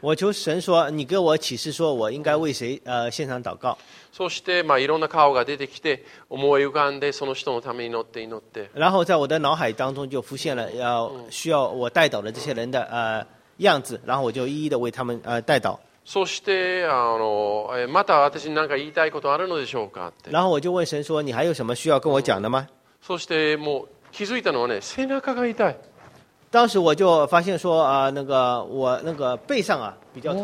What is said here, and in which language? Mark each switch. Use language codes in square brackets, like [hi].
[zh] 我求神说，你给我启示说我应该为谁献上祷告。 [ja] そしてまあいろんな顔が出てきて、思い浮かんでその人のために祈って祈って、 [zh] 然后在我的脑海当中就浮现了要需要我代祷的这些人的样子，然后我就一一的为他们代祷。 [ja] そしてまた私に何か言いたいことあるのでしょうかって。 [zh] 然后我就问神说，你还有什么需要跟我讲的吗？ [ja] そしてもう気づいたのはね、背中が痛い。 [zh] 当时我就发现说那个我那个背上啊比较痛。